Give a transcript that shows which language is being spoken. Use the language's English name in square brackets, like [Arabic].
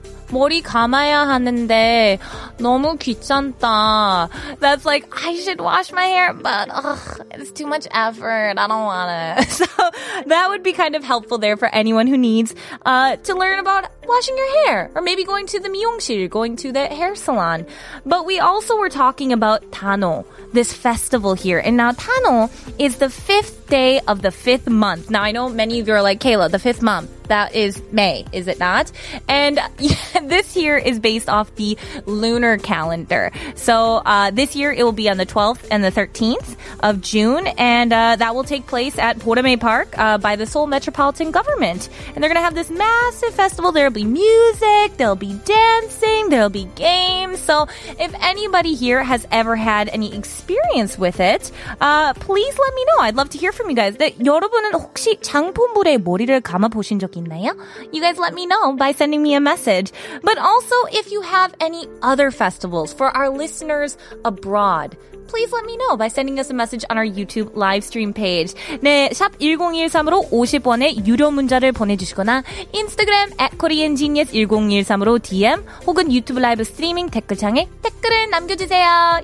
[Korean] 머리 감아야 하는데 너무 귀찮다. [English] That's like, I should wash my hair, but ugh, it's too much effort. I don't want it. So that would be kind of helpful there for anyone who needs to learn about washing your hair. Or maybe going to the 미용실, going to the hair salon. But we also were talking about 단오, this festival here. And now 단오 is the fifth day of the fifth month. Now, I know many of you are like, Kayla, the fifth month, that is May, is it not? And yeah, this year is based off the lunar calendar. So this year it will be on the 12th and the 13th of June. And that will take place at Borame Park by the Seoul Metropolitan Government. And they're going to have this massive festival. There'll be music, there'll be dancing, there'll be games. So if anybody here has ever had any experience with it, please let me know. I'd love to hear from you guys. [Korean] 여러분은 혹시 장포물에 머리를 감아보신 적 있나요? [English] You guys let me know by sending me a message. But also, if you have any other festivals for our listeners abroad, please let me know by sending us a message on our YouTube live stream page. [Korean] 네, 샵 1013으로 50원의 유료 문자를 보내주시거나 인스타그램 @koreangenius1013으로 DM 혹은 유튜브 라이브 스트리밍 댓글창에 댓글을 남겨주세요.